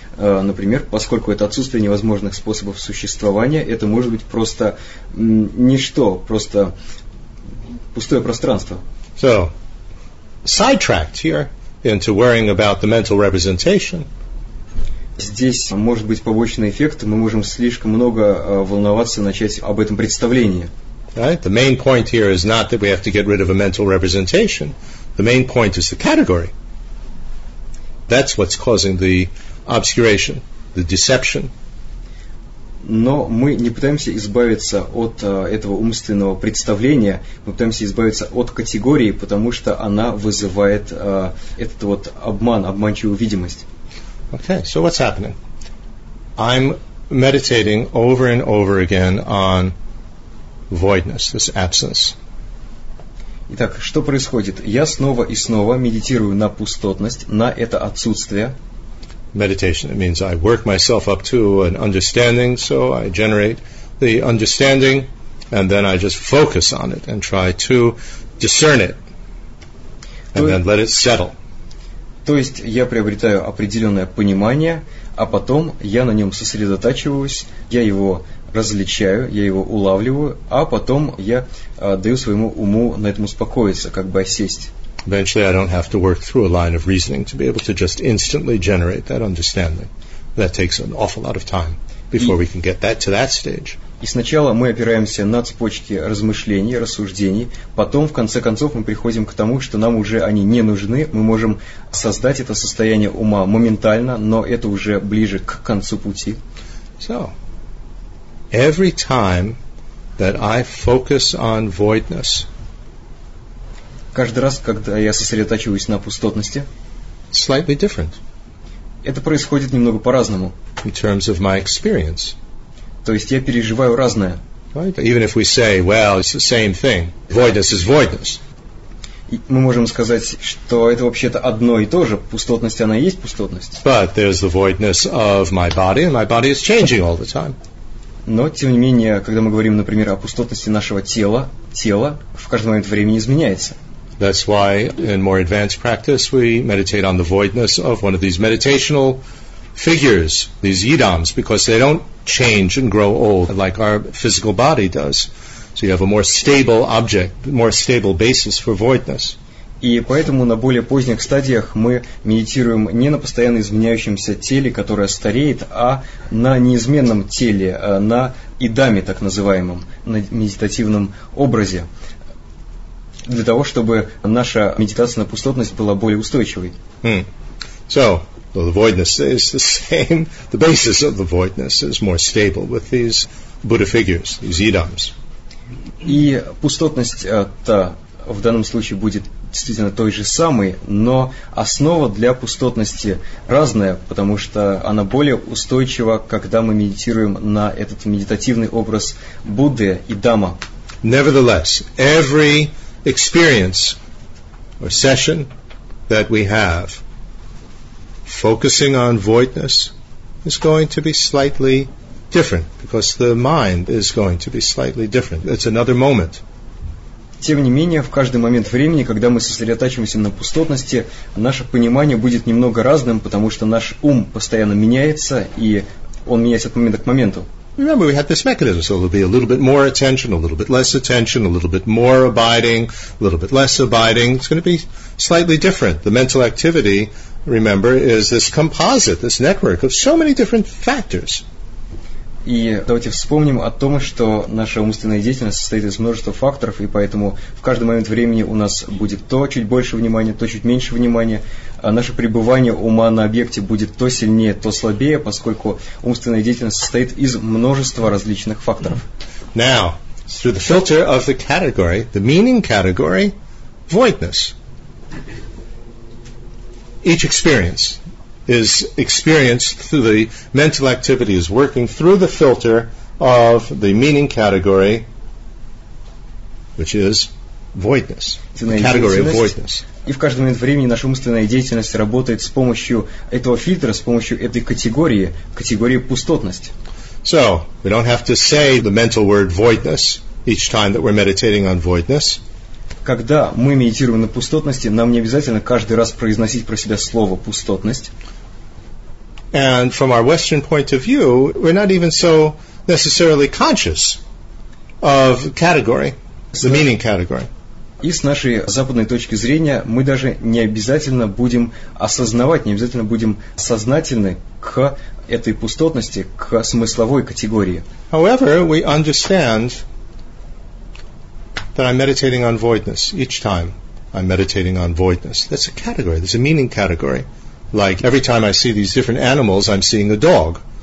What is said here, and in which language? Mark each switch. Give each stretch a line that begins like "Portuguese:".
Russian: Например, поскольку это отсутствие невозможных способов существования, это может быть просто ничто, просто пустое пространство.
English: So, sidetracked here into worrying about the mental representation.
Russian: Здесь может быть побочный эффект, мы можем слишком много волноваться, начать об этом представлении.
English: Right? The main point here is not that we have to get rid of a mental representation. The main point is the category. That's what's causing the obscuration, the deception.
Russian: Но мы не пытаемся избавиться от этого умственного представления, мы пытаемся избавиться от категории, потому что она вызывает этот вот обман, обманчивую видимость.
English: Okay, so what's happening? I'm meditating over and over again on voidness, this absence.
Russian: Итак, что происходит? Я снова и снова медитирую на пустотность, на это отсутствие.
English: Meditation, it means I work myself up to an understanding, so I generate the understanding, and then I just focus on it and try to discern it, and then let it settle.
Russian: То есть я приобретаю определенное понимание, а потом я на нем сосредотачиваюсь, я его различаю, я его улавливаю, а потом я даю своему уму на этом успокоиться, как бы осесть.
English: Eventually I don't have to work through a line of reasoning to be able to just instantly generate that understanding. That takes an awful lot of time before we can get that to that stage.
Russian: И сначала мы опираемся на цепочки размышлений, рассуждений, потом, в конце концов, мы приходим к тому, что нам уже они не нужны, мы можем создать это состояние ума моментально, но это уже ближе к концу пути.
English: So, every time that I focus on voidness,
Russian: каждый раз, когда я сосредотачиваюсь на пустотности,
English: slightly different.
Russian: Это происходит немного по-разному.
English: In terms of my experience.
Russian: То есть я переживаю разное.
English: Right. Even if we say, well, it's the same thing. Voidness is voidness.
Russian: Мы можем сказать, что это вообще-то одно и то же. Пустотность, она и есть пустотность.
English: But there's the voidness of my body, and my body is changing all the time.
Russian: Но, тем не менее, когда мы говорим, например, о пустотности нашего тела, тело в каждый момент времени изменяется.
English: That's why in more advanced practice we meditate on the voidness of one of these meditational figures, these yidams, because they don't change and grow old like our physical body does. So you have a more stable object, more stable basis for voidness.
Russian: И поэтому на более поздних стадиях мы медитируем не на постоянно изменяющемся теле, которое стареет, а на неизменном теле, на идаме так называемом, на медитативном образе, для того, чтобы наша медитация на пустотность была более устойчивой.
English: Hmm. So, the voidness is the same. The basis of the voidness is more stable with these Buddha figures, these idams.
Russian: И пустотность-то в данном случае будет действительно той же самой, но основа для пустотности разная, потому что она более устойчива, когда мы медитируем на этот медитативный образ Будды и Дама.
English: Nevertheless, every experience or session that we have focusing on voidness is going to be slightly different because the mind is going to be slightly different. It's another moment.
Russian: Тем не менее, в каждый момент времени, когда мы сосредотачиваемся на пустотности, наше понимание будет немного разным, потому что наш ум постоянно меняется, и он меняется от момента к моменту.
English: Remember, we had this mechanism, so there'll be a little bit more attention, a little bit less attention, a little bit more abiding, a little bit less abiding. It's going to be slightly different. The mental activity, remember, is this composite, this network of so many different factors.
Russian: И давайте вспомним о том, что наша умственная деятельность состоит из множества факторов, и поэтому в каждый момент времени у нас будет то чуть больше внимания, то чуть меньше внимания. А наше пребывание ума на объекте будет то сильнее, то слабее, поскольку умственная деятельность состоит из множества различных факторов.
English: Now, through the filter of the category, the meaning category, voidness. Each experience is experienced through the mental activity is working through the filter of the meaning category, which is voidness. The category of voidness.
Russian: И в каждый момент времени наша умственная деятельность работает с помощью этого фильтра, с помощью этой категории, категории пустотность.
English: So, we don't have to say the mental word voidness each time that we're meditating on voidness.
Russian: Когда мы медитируем на пустотности, нам не обязательно каждый раз произносить про себя слово пустотность.
English: And from our Western point of view, we're not even so necessarily conscious of category, the meaning category.
Russian: И с нашей западной точки зрения мы даже не обязательно будем осознавать, не обязательно будем сознательны к этой пустотности, к смысловой категории.
English: However, we understand that I'm meditating on voidness each time. I'm meditating on voidness. That's a category. That's a meaning category. Like every time I see these different animals, I'm seeing a dog.